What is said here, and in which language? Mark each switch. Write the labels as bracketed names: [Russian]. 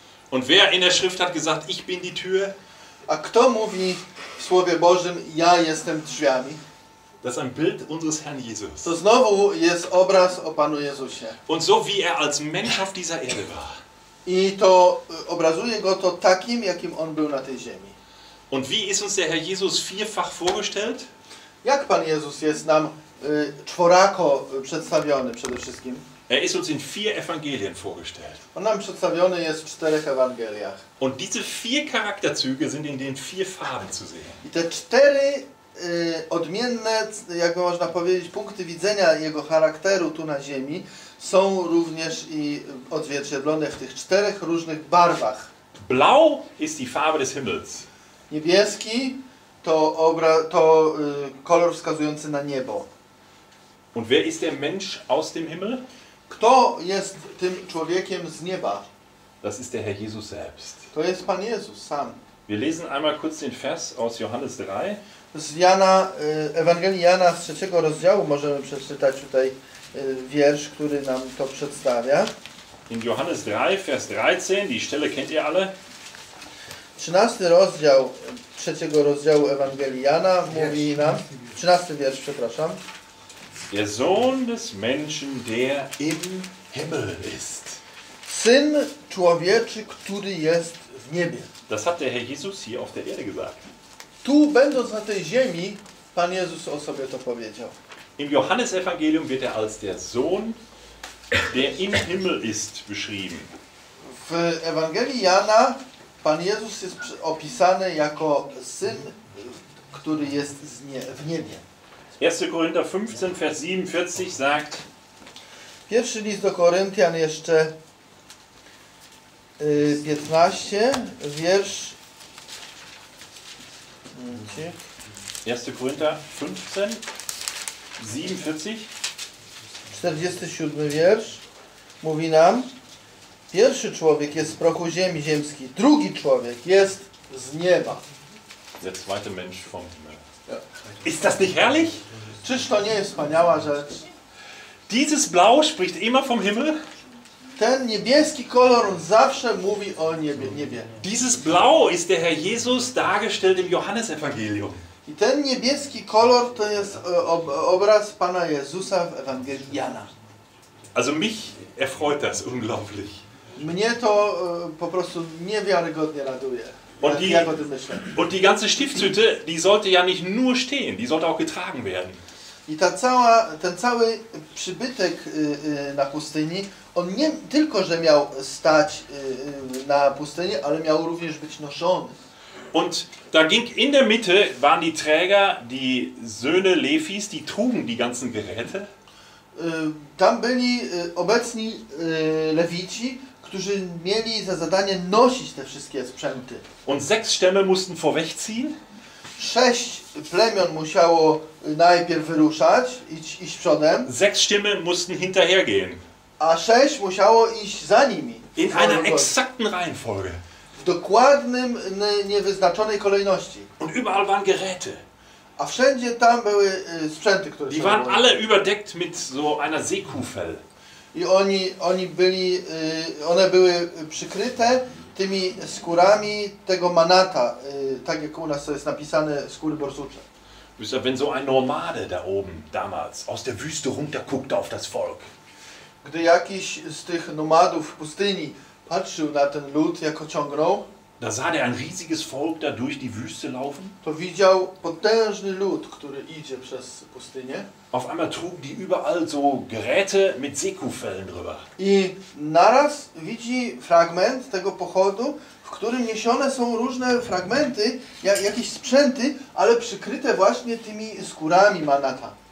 [German] Und wer in der Schrift hat gesagt, ich bin die Tür? [Polish] A kto mówi w Słowie Bożym, ja jestem drzwiami? [German] Das ist ein Bild unseres Herrn Jesus. [Polish] To znowu jest obraz o Panu Jezusie. [German] Und so wie er als Mensch auf dieser Erde war. [Polish] I to obrazuje go to takim, jakim on był na tej ziemi. [German] Und wie ist uns der Herr Jesus vierfach vorgestellt? [Polish] Jak Pan Jezus jest nam czworako przedstawiony przede wszystkim? [German] Er ist uns in vier Evangelien vorgestellt. [Polish] On nam przedstawiony jest w czterech Ewangeliach. [German] Und diese vier Charakterzüge sind in den vier Farben zu sehen. [Polish] I te cztery odmienne, jak można powiedzieć, punkty widzenia jego charakteru tu na ziemi są również i odzwierciedlone w tych czterech różnych barwach. [German] Blau ist die Farbe des Himmels. [Polish] Niebieski to kolor wskazujący na niebo. [German] Und wer ist der Mensch aus dem Himmel? [Polish] Kto jest tym człowiekiem z nieba? [German] Das ist der Herr Jesus selbst. [Polish] To jest Pan Jezus sam. [German] Wir lesen einmal kurz den Vers aus Johannes 3. [Polish] Z Jana, Ewangelii Jana z trzeciego rozdziału możemy przeczytać tutaj wiersz, który nam to przedstawia. [German] In Johannes 3, Vers 13, die Stelle kennt ihr alle. [Polish] 13 rozdział trzeciego rozdziału Ewangelii Jana mówi nam, 13 wiersz, przepraszam. [German] Der Sohn des Menschen, der im Himmel ist. [Polish] Syn człowieczy, który jest w niebie. [German] Das hat der Herr Jesus hier auf der Erde gesagt. [Polish] Tu, będąc na tej ziemi, Pan Jezus o sobie to powiedział. [German] Im Johannes Evangelium wird er als der Sohn, der im Himmel ist, beschrieben. [Polish] W Ewangelii Jana Pan Jezus jest opisany jako syn, który jest w niebie. [German] 1. Korinther 15, Vers 47 sagt. [Polish] Pierwszy list do Koryntian jeszcze 15, wiersz. [German] 1. Korinther 15, 47. [Polish] 47 wiersz mówi nam. Pierwszy człowiek jest z prochu ziemi ziemskiej. Drugi człowiek jest z nieba. [German] Der zweite Mensch vom Himmel. Ist das nicht herrlich? [Polish] Czyż to nie jest wspaniała rzecz? [German] Dieses Blau spricht immer vom Himmel. [Polish] Ten niebieski kolor zawsze mówi o niebie. [German] Dieses Blau ist der Herr Jesus dargestellt im Johannesevangelium. [Polish] I ten niebieski kolor to jest obraz Pana Jezusa w Ewangelii Jana. [German] Also mich erfreut das unglaublich. [Polish] Mnie to po prostu niewiarygodnie raduje. [German] Und die, [Polish] jak o tym myślę. [German] Und die ganze Stiftshütte, die sollte ja nicht nur stehen, die sollte auch getragen werden. [Polish] I ta cała, ten cały przybytek na pustyni, on nie tylko, że miał stać na pustyni, ale miał również być noszony. [German] Und da ging in der Mitte, waren die Träger, die Söhne Lefis, die trugen die ganzen Geräte. [Polish] Tam byli obecni Lewici, którzy mieli za zadanie nosić te wszystkie sprzęty. [German] Und sechs Stämme mussten vorwegziehen. [Polish] Sześć plemion musiało najpierw wyruszać, iść przodem. [German] Sechs Stämme mussten hinterhergehen. [Polish] A sześć musiało iść za nimi. [German] In einer exakten Reihenfolge. [Polish] W dokładnym, niewyznaczonej kolejności. [German] Und überall waren Geräte. [Polish] A wszędzie tam były sprzęty, które [German] die waren alle überdeckt mit so einer Seekuhfell. [Polish] I oni byli, one były przykryte tymi skórami tego manata, tak jak u nas to jest napisane, skóry borsucze. [German] Wisst ihr, wenn so ein Nomade da oben damals aus der Wüste runterguckte auf das Volk. [Polish] Gdy jakiś z tych nomadów w pustyni patrzył na ten lud, jak ociągnął, [German] da sah der ein riesiges Volk da durch die Wüste laufen. [Polish] To widział potężny lud, który idzie przez pustynię. [German] Auf einmal trugen die überall so Geräte mit Seekuhfellen drüber. [Polish] I naraz widzi fragment tego pochodu, w którym niesione są różne fragmenty, jakieś sprzęty, ale przykryte właśnie tymi skórami manata.